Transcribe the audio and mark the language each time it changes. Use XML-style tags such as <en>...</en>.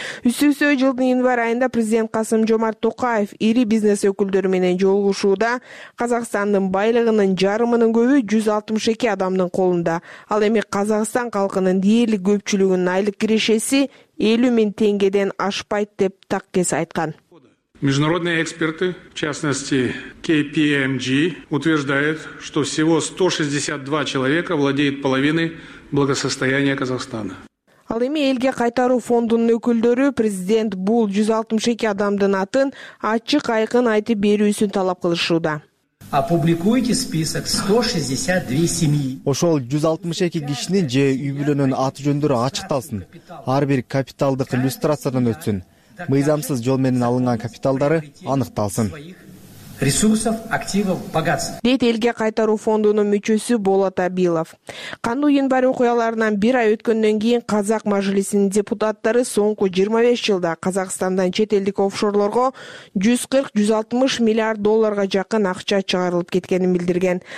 <ky>Үстүсө жылдын январь айында президент Касым Жомарт Токаев ири бизнес өкүлдөрү менен жолугушууда Казакстандын байлыгынын жарымынын көбү 162 адамдын колунда, ал эми Казакстан калкынын дээрлик көпчүлүгүнүн айлык кирешеси 50 000 тенгеден ашпайт деп так кес айткан.</ky> <ru>Международные эксперты, в частности KPMG, утверждают, что всего 162 человека владеют половиной благосостояния Казахстана.</ru> <ky>Ал эми элге кайтаруу фондунун өкүлдөрү президент бул 162 адамдын атын ачык айкын айтып берүүсүн талап кылышууда.</ky> <ru>Опубликуйте список 162 семьи.</ru> <ky>Ошол 162 кишинин же үй бүлөнүн аты жөндөрү ачыкталсын. Ар бир капиталдык иллюстрациядан өтсүн. Мыйзамсыз жол менен алынган капиталдары аныкталсын.</ky> <ru>Ресурсов, активов, богатств.</ru> <ky>Дейт элге кайтаруу фондунун мүчөсү Болот Абилов. Кандуу январь окуяларынан бир ай өткөндөн кийин Казак мажилисинин депутаттары соңку 25 жылда Казакстандан чет элдик офшорлорго 140-160 миллиард долларга жакын акча чыгарылып кеткенин билдирген.</ky>